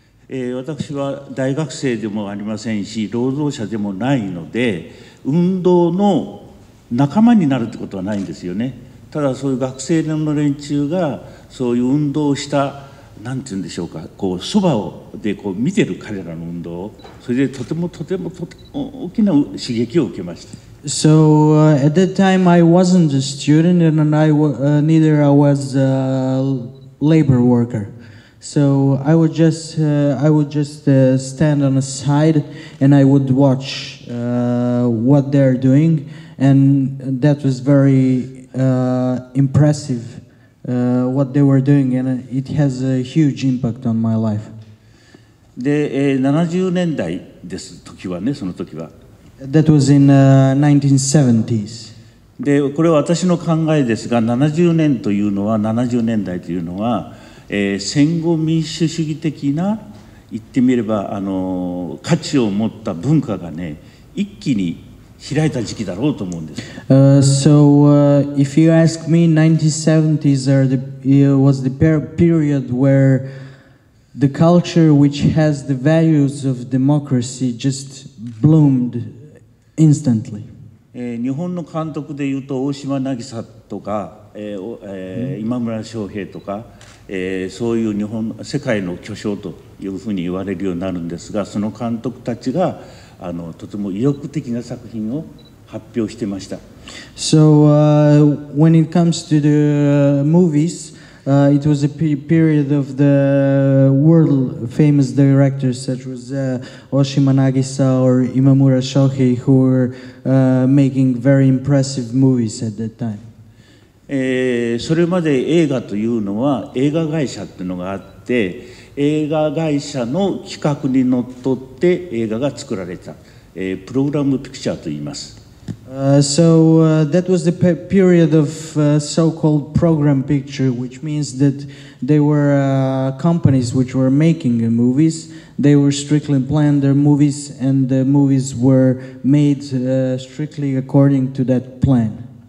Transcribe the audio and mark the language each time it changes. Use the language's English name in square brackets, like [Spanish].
[Japanese] 私は大学生でもありませんし、労働者でもないので、運動の仲間になるってことはないんですよね。ただそういう学生の連中がそういう運動をした、なんて言うんでしょうか、こうそばをでこう見てる彼らの運動を、それでとてもとてもとても大きな刺激を受けました。 [English] So, at that time I wasn't a student and neither I was a labor worker. So I would just, stand on a side and I would watch what they're doing, and that was very impressive. What they were doing, and it has a huge impact on my life. [Japanese] で、70年代です、時はね、その時は。 [English] That was in 1970s. [Japanese] で、これは私の考えですが、70年というのは、70年代というのは、戦後民主主義的な、言ってみれば、価値を持った文化がね、一気に開いた時期だろうと思うんです。 [English] If you ask me, 1970s was the period where the culture which has the values of democracy just bloomed instantly. [Japanese] 日本の監督でいうと大島渚とか、今村翔平とか、そういう日本世界の巨匠というふうに言われるようになるんですが、その監督たちがとても意欲的な作品を発表してました。 [English] So, when it comes to the movies, it was a period of the world famous directors such as Oshima Nagisa or Imamura Shohei who were making very impressive movies at that time. [Japanese] それまで映画というのは映画会社っていうのがあって、映画会社の企画にのっとって映画が作られた、プログラムピクチャーと言います。 [English] That was the period of so-called program picture, which means that they were companies which were making movies. They were strictly planned their movies, and the movies were made strictly according to that plan.